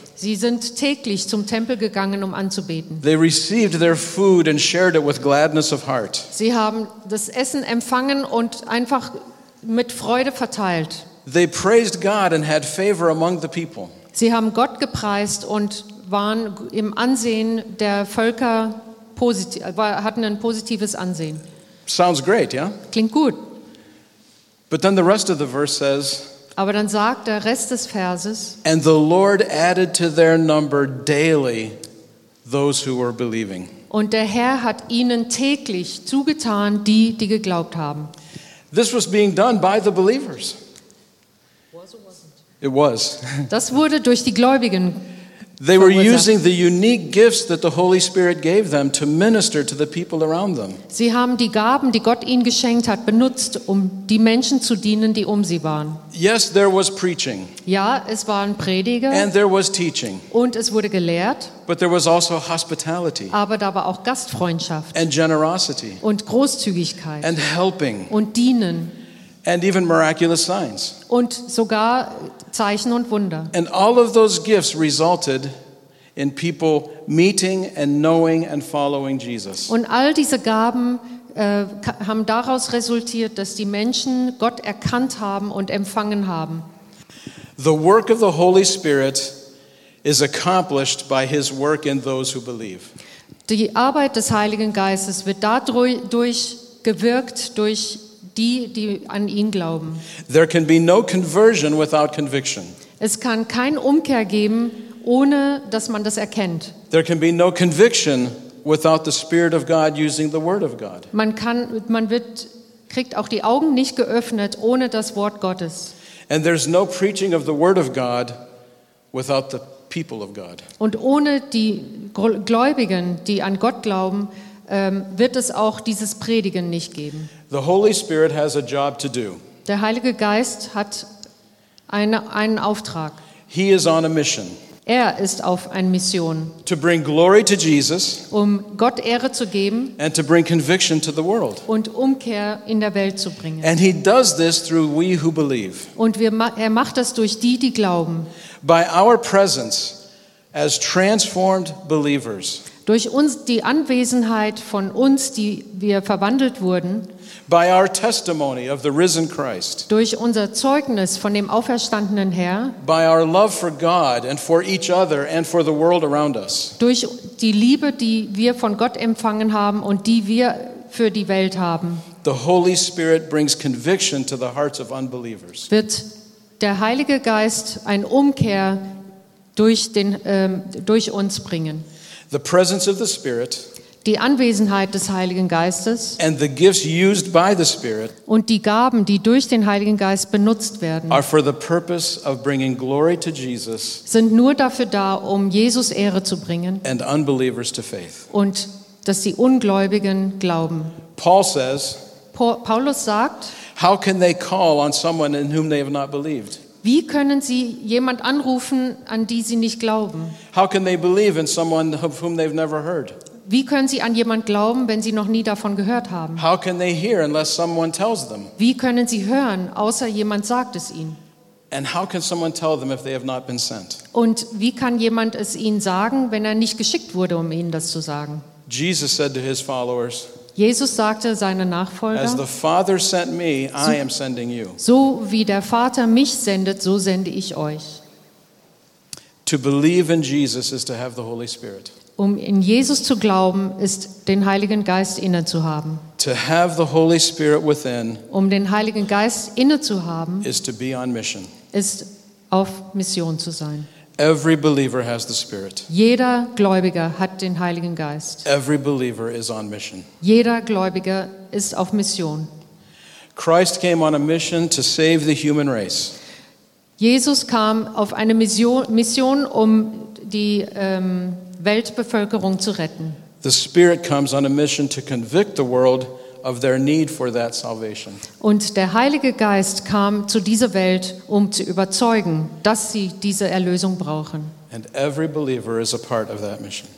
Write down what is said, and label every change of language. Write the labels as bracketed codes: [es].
[de] Sie sind täglich zum Tempel gegangen, um anzubeten. [en] They received their food and shared it with gladness of heart. [de] Sie haben das Essen empfangen und einfach mit Freude verteilt. [en] They praised God and had favor among the people. [de] Sie haben Gott gepreist und waren im Ansehen der Völker hatten ein positives Ansehen. [en] Sounds great, yeah? [de] Klingt gut. [en] But then the rest of the verse says, [de] aber dann sagt der Rest des Verses, [en] and the Lord added to their number daily those who were believing. [de] Und der Herr hat ihnen täglich zugetan, die, die geglaubt haben. [en] This was being done by the believers. It was. [de] Das wurde durch die Gläubigen. [en] They were using the unique gifts that the Holy Spirit gave them to minister to the people around them. [de] Sie haben die Gaben, die Gott ihnen geschenkt hat, benutzt, um die Menschen zu dienen, die um sie waren. [en] Yes, there was preaching. [de] Ja, es waren Prediger. [en] And there was teaching. [de] Und es wurde gelehrt. [en] But there was also hospitality. [de] Aber da war auch Gastfreundschaft. [en] And generosity. [de] Und Großzügigkeit. [en] And helping. [de] Und dienen. [en] And even miraculous signs. [de] Und sogar Zeichen und Wunder. [en] And all of those gifts resulted in people meeting and knowing and following Jesus. [de] Und all diese Gaben haben daraus resultiert, dass die Menschen Gott erkannt haben und empfangen haben. [en] The work of the Holy Spirit is accomplished by his work in those who believe. [de] Die Arbeit des Heiligen Geistes wird dadurch gewirkt durch die an ihn glauben. [en] There can be no conversion without conviction. [de] Es kann kein Umkehr geben, ohne dass man das erkennt. [en] There can be no conviction without the Spirit of God using the Word of God. [de] Man kriegt auch die Augen nicht geöffnet, ohne das Wort Gottes. [en] And there's no preaching of the Word of God without the people of God. [de] Und ohne die Gläubigen, die an Gott glauben, wird es auch dieses Predigen nicht geben. [en] The Holy Spirit has a job to do. [de] Der Heilige Geist hat einen Auftrag. [en] He is on a mission. [de] Er ist auf einer Mission. [en] To bring glory to Jesus. [de] Um Gott Ehre zu geben. [en] And to bring conviction to the world. [de] Und Umkehr in der Welt zu bringen. [en] And he does this through we who believe. [de] Und er macht das durch die, die glauben. [en] By our presence as transformed believers. [de] Durch uns die Anwesenheit von uns, die wir verwandelt wurden. [en] By our testimony of the risen Christ. [de] Durch unser Zeugnis von dem auferstandenen Herr. [en] By our love for God and for each other and for the world around us. [de] Durch die Liebe, die wir von Gott empfangen haben und die wir für die Welt haben. [en] The Holy Spirit brings conviction to the hearts of unbelievers. [de] Wird der Heilige Geist ein Umkehr durch uns bringen. [en] The presence of the Spirit. [de] die Anwesenheit des Heiligen Geistes [en] and the gifts used by the Spirit [de] und die Gaben, die durch den Heiligen Geist benutzt werden, [en] are for the purpose of bringing glory to Jesus [de] sind nur dafür da, um Jesus Ehre zu bringen [en] and unbelievers to faith. [de] Und dass die Ungläubigen glauben. Paulus sagt, [en] how can they call on someone in whom they have not believed? [de] Wie können sie jemand anrufen, an die sie nicht glauben? [en] How can they believe in someone of whom they've never heard? [de] Wie können sie an jemand glauben, wenn sie noch nie davon gehört haben? [en] How can they hear unless someone tells them? [de] Wie können sie hören, außer jemand sagt es ihnen? [en] And how can someone tell them if they have not been sent? [de] Und wie kann jemand es ihnen sagen, wenn er nicht geschickt wurde, um ihnen das zu sagen? [en] Jesus said to his followers, [de] Jesus sagte seinen Nachfolgern, [en] as the Father sent me, I am sending you. [de] So wie der Vater mich sendet, so sende ich euch. [en] To believe in Jesus is to have the Holy Spirit. [de] Um in Jesus zu glauben, ist den Heiligen Geist inne zu haben. [en] To have the Holy Spirit within, [de] um den Heiligen Geist inne zu haben, [en] is to be on mission. [de] Ist auf Mission zu sein. [en] Every believer has the Spirit. [de] Jeder Gläubige hat den Heiligen Geist. [en] Every believer is on mission. [de] Jeder Gläubige ist auf Mission. [en] Christ came on a mission to save the human race. [de] Jesus kam auf eine Mission, um die Weltbevölkerung zu retten. [en] The Spirit comes on a mission to convict the world of their need for that salvation. [de] Und der Heilige Geist kam zu dieser Welt, um zu überzeugen, dass sie diese Erlösung brauchen. [en] And every believer is a part of that mission.